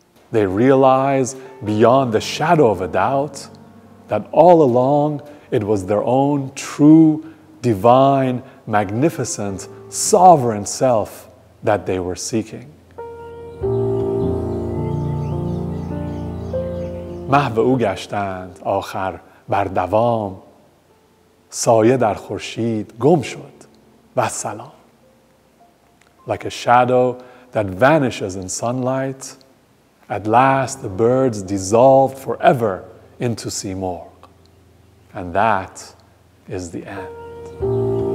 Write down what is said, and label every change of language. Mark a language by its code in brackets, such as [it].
[en] They realize beyond the shadow of a doubt that all along it was their own true, divine, magnificent, sovereign self that they were seeking. [fa] محو او گشتند آخر بر دوام سایه در خورشید گم شد و سلام. [en] Like a shadow that vanishes in sunlight, at last the birds dissolved forever into Simorgh. And that is the end.